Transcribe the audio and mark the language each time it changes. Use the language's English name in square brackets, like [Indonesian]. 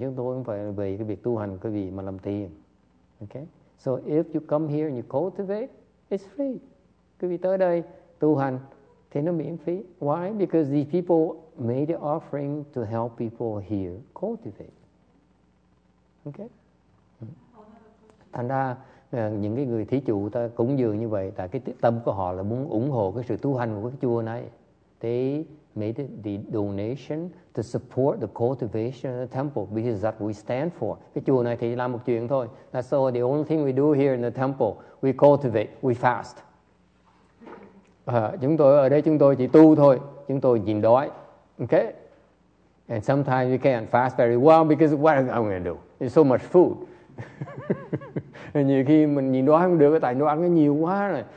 [Vietnamese] Chúng tôi không phải về cái việc tu hành quý vị mà làm tiền. [English] Okay? So if you come here and you cultivate, it's free. [Vietnamese] Quý vị tới đây tu hành thì nó miễn phí. [English] Why? Because these people made an offering to help people here cultivate. Okay? [Vietnamese] Thành ra những cái người thí chủ ta cúng dường như vậy tại cái tâm của họ là muốn ủng hộ cái sự tu hành của cái chùa này. [English] They made the donation to support the cultivation of the temple because that we stand for. [Vietnamese] Cái chùa này thì làm một chuyện thôi. [English] That's all. The only thing we do here in the temple, we cultivate, we fast. [Vietnamese] Chúng tôi ở đây chúng tôi chỉ tu thôi. Chúng tôi nhịn đói. Okay? [English] And sometimes we can't fast very well because what am I going to do? There's so much food. [Vietnamese] Nhiều khi mình nhịn đói không được tại nó ăn nó nhiều quá rồi.